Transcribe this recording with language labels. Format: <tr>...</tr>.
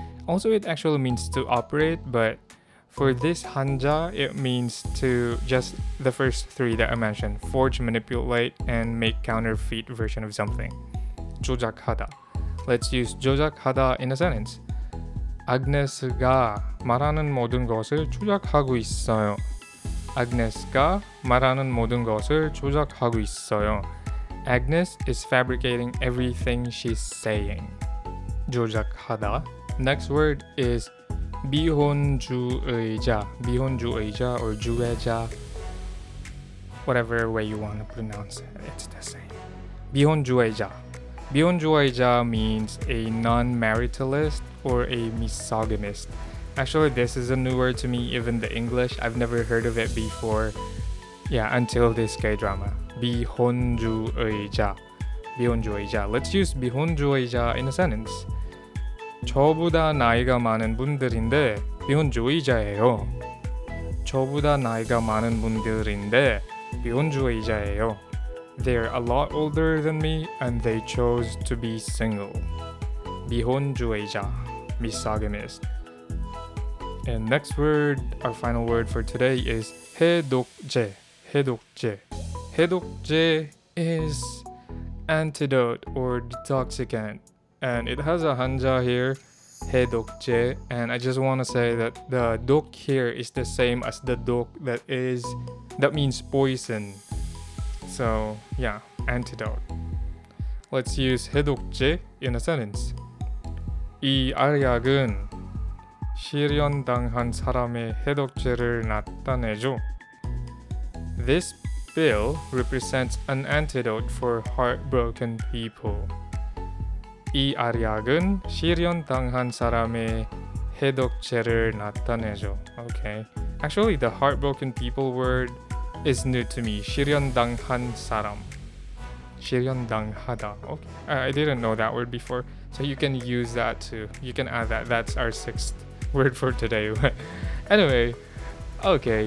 <en>Also, it actually means to operate, but for this 한자, it means to just the first three that I mentioned. Forge, manipulate, and make counterfeit version of something. 조작하다. Let's use 조작하다 in a sentence.</en> <ko>아그네스가 말하는 모든 것을 조작하고 있어요. 아그네스가 말하는 모든 것을 조작하고 있어요.</ko> <en>Agnes is fabricating everything she's saying. 조작하다. Next word is 미혼주의자.</en> <ko>미혼주의자 or 주의자.</ko> <en>Whatever way you want to pronounce it, it's the same. 미혼주의자. 미혼주의자 means a non-maritalist or a misogynist. Actually, this is a new word to me, even the English. I've never heard of it before. Yeah, until this K-drama.</en> <ko>미혼주의자. 미혼주의자.</ko> <en>Let's use 미혼주의자 in a sentence.</en> <ko>저보다 나이가 많은 분들인데 미혼주의자예요. 저보다 나이가 많은 분들인데 미혼주의자예요.</ko> <en>They're a lot older than me and they chose to be single. 미혼주의자. Misogynist. And next word, our final word for today is 해독제. 해독제. 해독제 is antidote or detoxicant. And it has a hanja here, 해독제. And I just want to say that the 독 here is the same as the 독 that means poison. So yeah, antidote. Let's use 해독제 in a sentence.</en> <ko>이 알약은 실연당한 사람의 해독제를 나타내죠.</ko> <en>This pill represents an antidote for heartbroken people.</en> <ko>이 알약은 실연당한 사람의 해독제를 나타내죠.</ko> <en>Okay. Actually, the heartbroken people word is new to me.</en> <ko>실연당한 사람. 실연당하다. Okay.</ko> <en>I didn't know that word before. So you can use that too. You can add that. That's our sixth word for today. Anyway. Okay.</en>